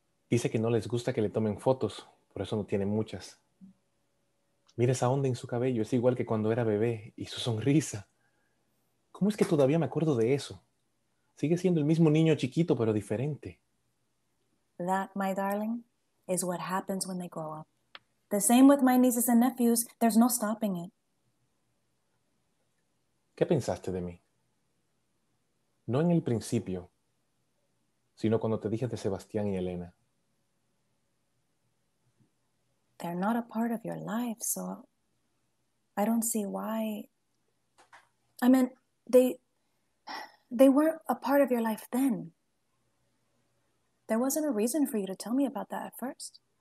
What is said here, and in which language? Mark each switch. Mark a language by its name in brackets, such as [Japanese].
[Spanish] Dice que no les gusta que le tomen fotos, por eso no tiene muchas. Mira esa onda en su cabello, es igual que cuando era bebé, y su sonrisa. ¿Cómo es que todavía me acuerdo de eso? Sigue siendo el mismo niño chiquito, pero diferente. [English] That, my darling, is what happens when they grow up. The same with my nieces and nephews, there's no stopping it. [Spanish] ¿Qué pensaste de mí? No en el principio, sino cuando te dije de Sebastián y Elena. [English] They're not a part of your life, so I don't see why. I mean, they weren't a part of your life then. There wasn't a reason for you to tell me about that at first.